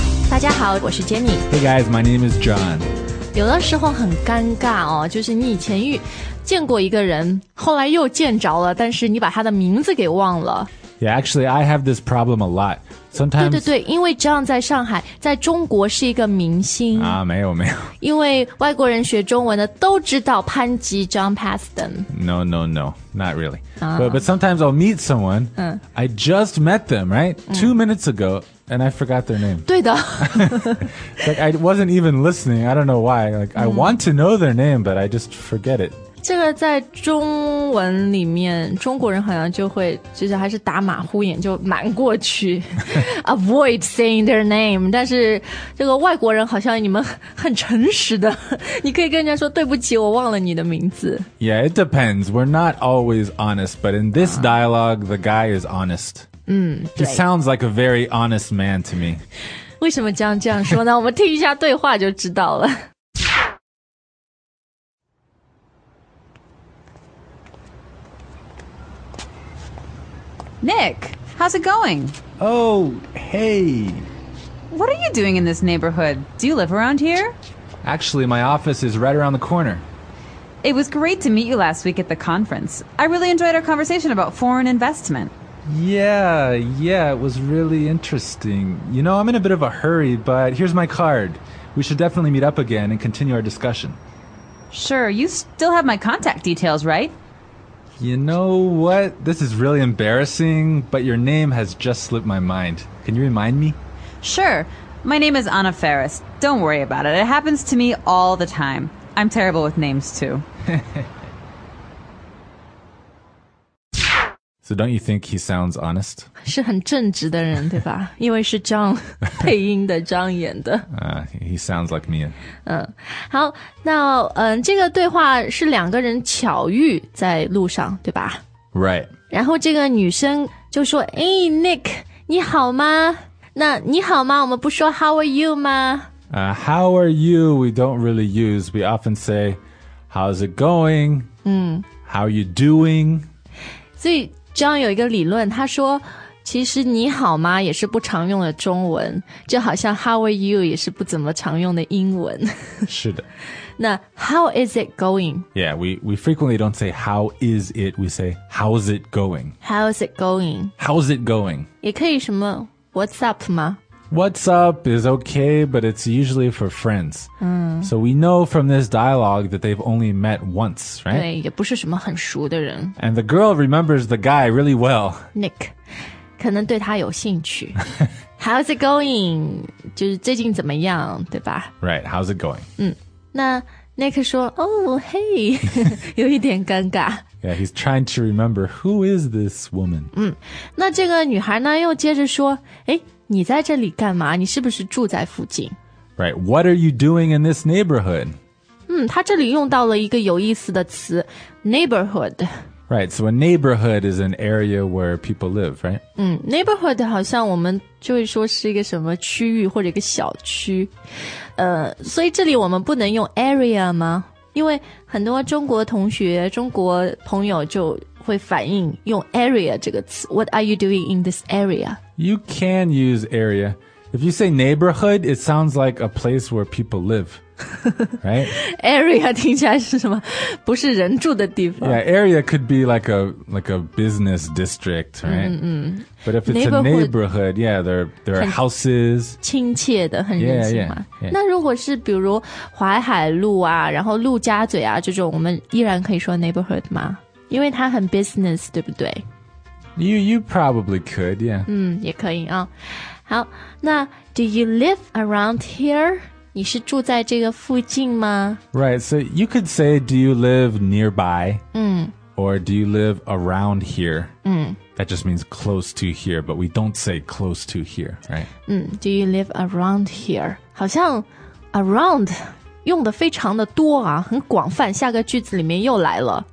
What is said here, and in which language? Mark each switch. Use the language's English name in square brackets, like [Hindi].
[Chinese] 大家好，我是 Jenny。 [English] Hey guys, my name is John。 [Chinese] 有的时候很尴尬哦，就是你以前见过一个人，后来又见着了，但是你把他的名字给忘了。 [English] Yeah, actually, I have this problem a lot. Sometimes, [Chinese] 对对对，因为 John 在上海，在中国是一个明星啊，没有没有，因为外国人学中文的都知道潘吉 John Paston. [English] No, no, no, not really.、But sometimes I'll meet someone,、I just met them, right? Two minutes ago, and I forgot their name. [Chinese] 对的 [English] Like, I wasn't even listening, I don't know why. Like, I want to know their name, but I just forget it. [Chinese] 这个在中文里面中国人好像就会其实还是打马虎眼就瞒过去 [English] avoid saying their name [Chinese] 但是这个外国人好像你们很诚实的你可以跟人家说对不起我忘了你的名字 [English] Yeah, it depends. We're not always honest, but in this dialogue, the guy is honest. He sounds like a very honest man to me. [Chinese] 为什么这样说呢我们听一下对话就知道了。 [English] Nick, how's it going? Oh, hey. What are you doing in this neighborhood? Do you live around here? Actually, my office is right around the corner. It was great to meet you last week at the conference. I really enjoyed our conversation about foreign investment. Yeah, it was really interesting. You know, I'm in a bit of a hurry, but here's my card. We should definitely meet up again and continue our discussion. Sure, you still have my contact details, right? You know what? This is really embarrassing, but your name has just slipped my mind. Can you remind me? Sure. My name is Anna Ferris. Don't worry about it. It happens to me all the time. I'm terrible with names, too. So don't you think he sounds honest? [Chinese] 是很正直的人，对吧？因为是 John 配音的 ，John 演的。 [English] He sounds like me. [Chinese] 好，那这个对话是两个人巧遇在路上，对吧 [English] ？Right. [Chinese] 然后这个女生就说：“哎 ，Nick， 你好吗？那你好吗？我们不说 [English] How are you [Chinese] 吗？ [English] How are you? We don't really use. We often say, How's it going? How are you doing? [Chinese] 所以。 John 有一个理论他说其实你好吗也是不常用的中文就好像 [English] How are you [Chinese] 也是不怎么常用的英文是的 [English] 那 How is it going? Yeah, we frequently don't say how is it We say how's it going How's it going How's it going [Chinese] 也可以什么 [English] What's up [Chinese] 吗 [English] What's up is okay But it's usually for friends So we know from this dialogue that they've only met once, right? [Chinese] 对，也不是什么很熟的人。 [English] And the girl remembers the guy really well. [Chinese] Nick, 可能对他有兴趣。 [English] How's it going? [Chinese] 就是最近怎么样，对吧？ [English] Right, how's it going? [Chinese] 那 Nick 说 [English] Oh, hey, [Chinese] 有一点尴尬。 [English] Yeah, he's trying to remember who is this woman? [Chinese] 那这个女孩呢又接着说诶，你在这里干嘛？你是不是住在附近？ [English] Right, what are you doing in this neighborhood? [Chinese] 他这里用到了一个有意思的词 neighborhood. [English] Right, so a neighborhood is an area where people live, right? [Chinese] Neighborhood 好像我们就会说是一个什么区域或者一个小区。所以这里我们不能用 area 吗？因为很多中国同学、中国朋友就会反应用 area 这个词。 [English] What are you doing in this area? You can use area. If you say neighborhood, it sounds like a place where people live, right? [Chinese] area 听起来是什么？不是人住的地方。 [English] Yeah, area could be like a business district, right? But if it's neighborhood, yeah, there are houses. [Chinese] 亲切的，很人情嘛。 [English] Yeah, yeah, yeah. [Chinese] 那如果是比如淮海路啊，然后陆家嘴啊这种，我们依然可以说 neighborhood 吗？因为它很 business, 对不对？ [English] You probably could, yeah. [Chinese] 也可以啊。好，那 [English] do you live around here? [Chinese] 你是住在这个附近吗 [English] Right, so you could say, do you live nearby? Or do you live around here? That just means close to here, but we don't say close to here, right? Do you live around here? [Chinese] 好像 around 用的非常的多啊，很广泛，下个句子里面又来了。